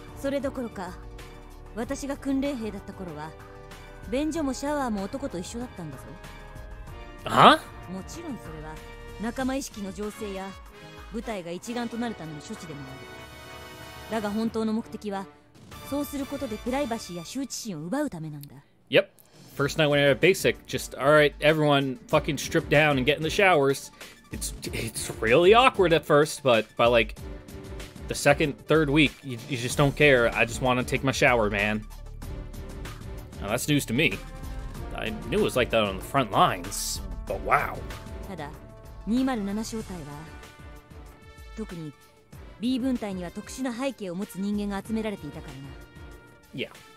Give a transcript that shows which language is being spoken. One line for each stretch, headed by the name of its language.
Japanese: それどころか、私が訓練兵だった頃は、便所もシャワーも男と一緒だったんだぞ。
English: Huh?
Japanese: もちろんそれは、仲間意識の醸成や、部隊が一丸となるための処置でもある。だが本当の目的は、そうすることでプライバシーや羞恥心を奪うためなんだ。
English: Yep. First night when I had basic, just, alright, everyone fucking strip down and get in the showers. It's really awkward at first, but by like, the second, third week, you just don't care. I just want to take my shower, man. Now that's news to me. I knew it was like that on the front lines, but wow.
Japanese: ただ、207小隊は、特に、 B分隊には特殊な背景を持つ人間が集められていたからな。
English: Yeah.